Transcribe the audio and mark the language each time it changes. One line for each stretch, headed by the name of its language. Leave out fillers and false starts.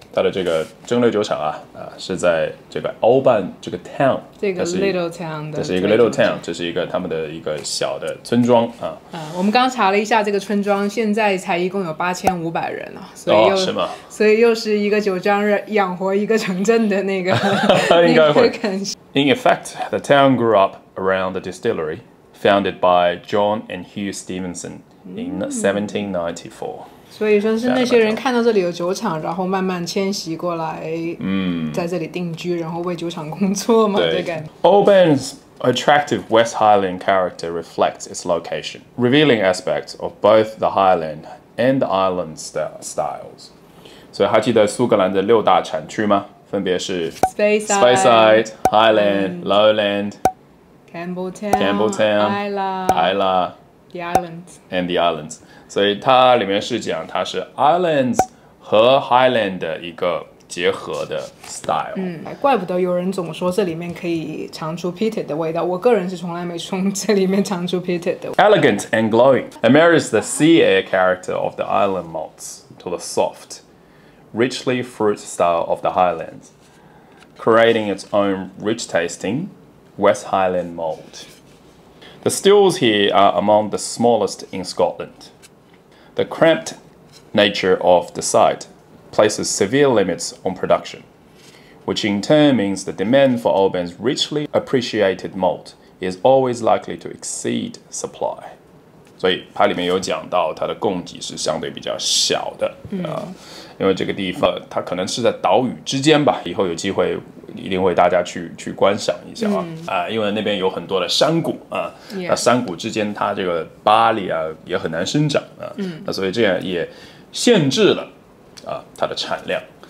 Chinese: 它的这个蒸馏酒厂是在这个 Oban 这个 town，这个
English: little town，
Chinese: 这是一个
English: little town，
Chinese: 这是一个他们的一个小的村庄啊。我们刚查了一下这个村庄，现在才一共有8500人哦，所以又、哦、是吗？所以又是一个酒庄养活一个城镇的那个应该会。
English: In effect, the town grew up around the distillery founded by John and Hugh Stevenson in 1794.
Chinese: 所以说是那些人看到这里有酒厂，然后慢慢迁徙过来，在这里定居，然后为酒厂工作嘛，对。
English: Oban's attractive West Highland character reflects its location, revealing aspects of both the Highland and the Island styles.
Chinese: 所以还记得苏格兰的六大产区吗？分别是
English: Speyside, Highland, Lowland, Campbelltown, Islay. The islands.
Chinese: 所以它里面是讲它是 islands 和 highland 的一个结合的 style。怪不得有人总说这里面可以尝出 peated 的味道，我个人是从来没从这里面尝出 peated 的味道。
English: Elegant and glowing, it marries the sea air character of the island malts to the soft, richly fruit style of the highlands, creating its own rich tasting West Highland malt. The stills here are among the smallest in Scotland. The cramped nature of the site places severe limits on production, which in turn means the demand for Oban's richly appreciated malt is always likely to exceed supply.
Chinese: 所以它里面有讲到它的供给是相对比较小的、因为这个地方它可能是在岛屿之间吧，以后有机会一定会大家去观赏一下啊、因为那边有很多的山谷啊，那山谷之间它这个巴黎啊也很难生长啊，那所以这样也限制了它的产量。